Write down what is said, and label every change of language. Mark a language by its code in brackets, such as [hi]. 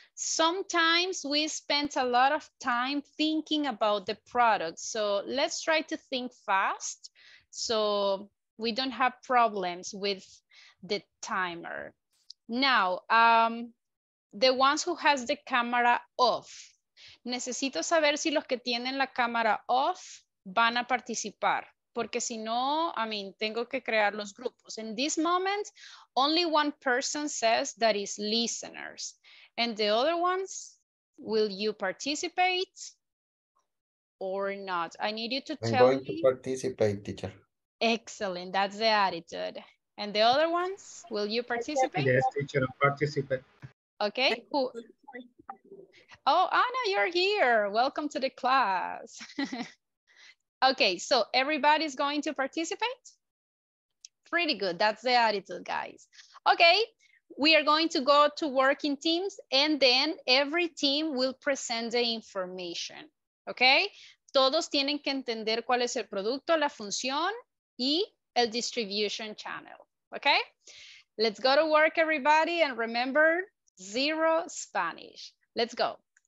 [en] Sometimes we spend a lot of time thinking about the product. So let's try to think fast so we don't have problems with the timer. Now, the ones who has the camera off. [es] Necesito saber si los que tienen la cámara off van a participar, porque si no, [en] I mean, [es] tengo que crear los grupos. [en] In this moment, only one person says that is listeners. And the other ones, will you participate or not? I need you to tell me. I'm going to participate, teacher. Excellent, that's the attitude. And the other ones, will you participate? Yes, teacher, I'll participate. Okay, cool. Oh, Anna, you're here. Welcome to the class. Okay, so everybody's going to participate? Pretty good, that's the attitude, guys. Okay, we are going to go to work in teams and then every team will present the information, okay? [es] Todos tienen que entender cuál es el producto, la función y el distribution channel, okay? [en] Let's go to work, everybody, and remember, zero Spanish. Let's go.